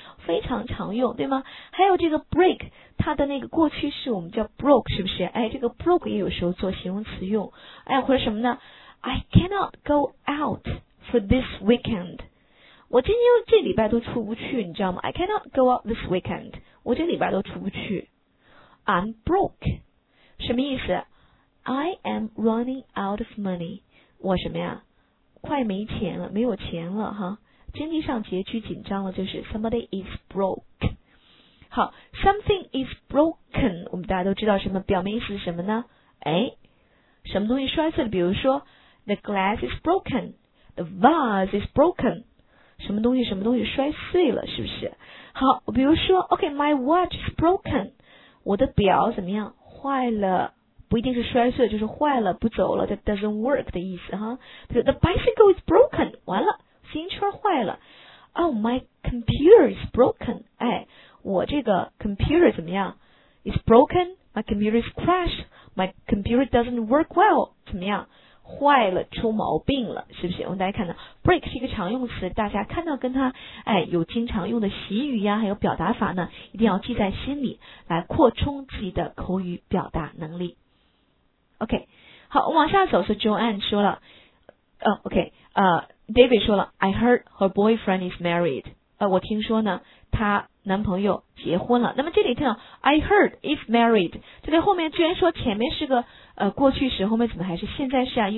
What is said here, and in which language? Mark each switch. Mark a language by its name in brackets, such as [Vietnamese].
[Chinese] 非常常用，对吗？还有这个 break， 它的那个过去式我们叫 broke， 是不是？哎，这个 broke 也有时候做形容词用，哎，或者什么呢？ [English] I cannot go out for this weekend， [Chinese] 我今天这礼拜都出不去，你知道吗？ [English] I cannot go out this weekend， [Chinese] 我这礼拜都出不去。 [English] I'm broke， 什么意思？I am running out of money， [Chinese] 我什么呀，快没钱了，没有钱了哈，经济上拮据紧张了，就是 [English] somebody is broke。 [Chinese] 好， something is broken， 我们大家都知道什么表面意思是什么呢？哎，什么东西摔碎了，比如说 [English] the glass is broken， [Chinese] the vase is broken， 什么东西摔碎了，是不是？好，比如说 OK， [English] my watch is broken， [Chinese] 我的表怎么样，坏了，不一定是摔碎，就是坏了，不走了， [English] that doesn't work [Chinese] 的意思哈。 [English] The bicycle is broken， 完了，自行车坏了。 Oh， my computer is broken， [Chinese] 哎，我这个 [English] computer [Chinese] 怎么样？ [English] It's broken， my computer is crashed， my computer doesn't work well， [Chinese] 怎么样？坏了，出毛病了，是不是？我们大家看到 break 是一个常用词，大家看到跟它哎有经常用的习语呀，还有表达法呢，一定要记在心里，来扩充自己的口语表达能力。 OK， 好，我往下走，是 Joanne 说了，David 说了 ， [English] I heard her boyfriend is married， [Chinese] 我听说呢，她男朋友结婚了。那么这里听到 I heard is married， 这里后面居然说前面是个过去时，后面怎么还是现在式啊？